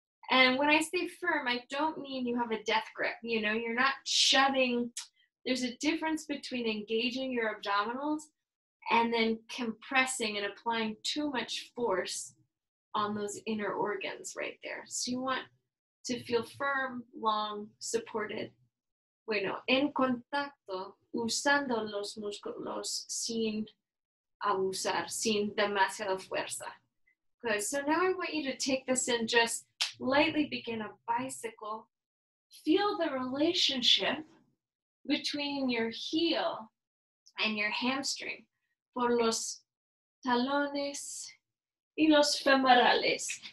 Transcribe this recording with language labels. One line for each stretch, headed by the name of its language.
English: And when I say firm, I don't mean you have a death grip. You know, you're not shoving. There's a difference between engaging your abdominals and then compressing and applying too much force on those inner organs right there. So you want to feel firm, long, supported.
Spanish: Bueno, en contacto, usando los músculos sin abusar, sin demasiada fuerza.
English: Good, so now I want you to take this and just lightly begin a bicycle. Feel the relationship between your heel and your hamstring.
Spanish: Por los talones y los femorales.